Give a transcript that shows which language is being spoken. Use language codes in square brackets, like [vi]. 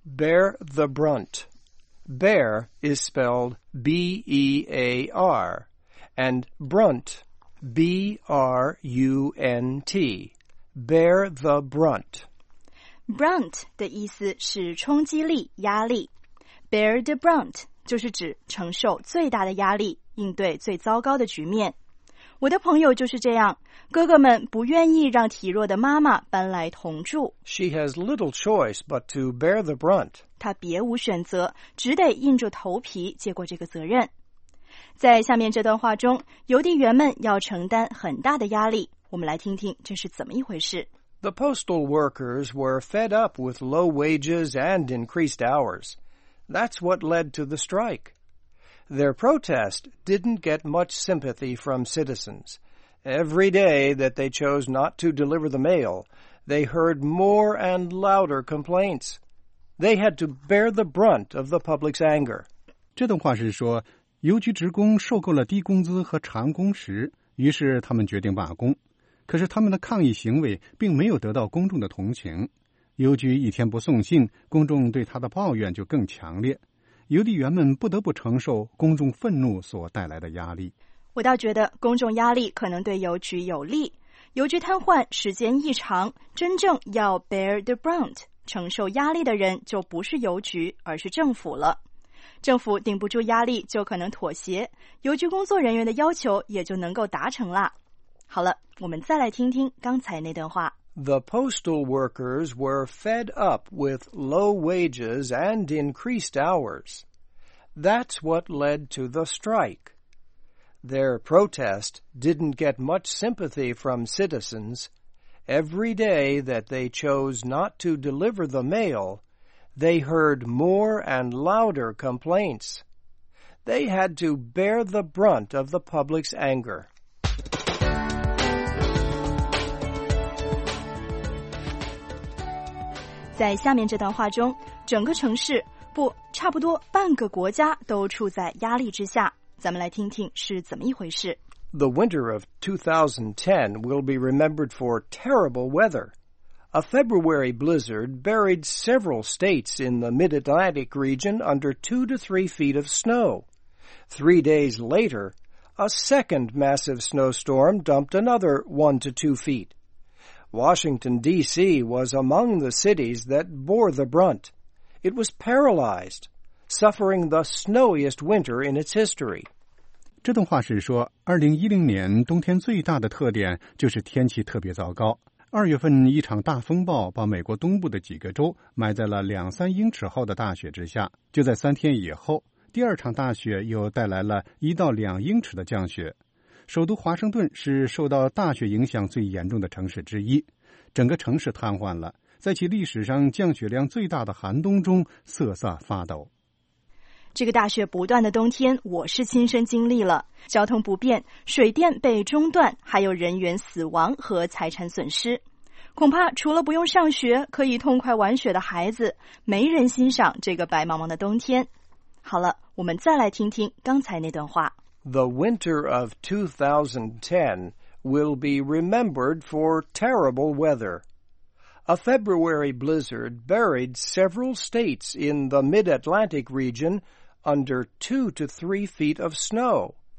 [en] Bear the bruntBear is spelled B-E-A-R, and brunt, B-R-U-N-T, bear the brunt. [zh] Brunt 的意思是冲击力、压力。 [en] Bear the brunt [zh] 就是指承受最大的压力，应对最糟糕的局面。我的朋友就是这样，哥哥们不愿意让体弱的妈妈搬来同住。 [en] She has little choice but to bear the brunt. [zh] 她别无选择，只得硬着头皮接过这个责任。在下面这段话中，邮递员们要承担很大的压力，我们来听听这是怎么一回事。 [en] The postal workers were fed up with low wages and increased hours. That's what led to the strike. Their protest didn't get much sympathy from citizens. Every day that they chose not to deliver the mail, they heard more and louder complaints. They had to bear the brunt of the public's anger. [zh] 这段话是说，邮局职工受够了低工资和长工时，于是他们决定罢工。可是他们的抗议行为并没有得到公众的同情。邮局一天不送信，公众对他的抱怨就更强烈。邮递员们不得不承受公众愤怒所带来的压力。我倒觉得公众压力可能对邮局有利。邮局瘫痪时间一长，真正要 [en] bear the brunt [zh] 承受压力的人就不是邮局，而是政府了。政府顶不住压力就可能妥协，邮局工作人员的要求也就能够达成了。好了，我们再来听听刚才那段话。 [en] The postal workers were fed up with low wages and increased hours. That's what led to the strike. Their protest didn't get much sympathy from citizens. Every day that they chose not to deliver the mail, they heard more and louder complaints. They had to bear the brunt of the public's anger. [zh] 在下面这段话中，整个城市，不，差不多半个国家都处在压力之下。咱们来听听是怎么一回事。 [en] The winter of 2010 will be remembered for terrible weather. A February blizzard buried several states in the mid-Atlantic region under 2 to 3 feet of snow. 3 days later, a second massive snowstorm dumped another 1 to 2 feet. Washington, D.C. was among the cities that bore the brunt. It was paralyzed, suffering the snowiest winter in its history. [zh] 这段话是说2010年冬天最大的特点就是天气特别糟糕。二月份一场大风暴把美国东部的几个州埋在了2-3英尺厚的大雪之下。就在3天以后，第二场大雪又带来了1到2英尺的降雪。首都华盛顿是受到大雪影响最严重的城市之一，整个城市瘫痪了，在其历史上降雪量最大的寒冬中瑟瑟发抖。这个大雪不断的冬天我是亲身经历了，交通不便，水电被中断，还有人员死亡和财产损失，恐怕除了不用上学可以痛快玩雪的孩子，没人欣赏这个白茫茫的冬天。好了，我们再来听听刚才那段话。 [en] The winter of 2010 will be remembered for terrible weather. A February blizzard buried several states in the mid-Atlantic region under 2 to 3 feet of snow.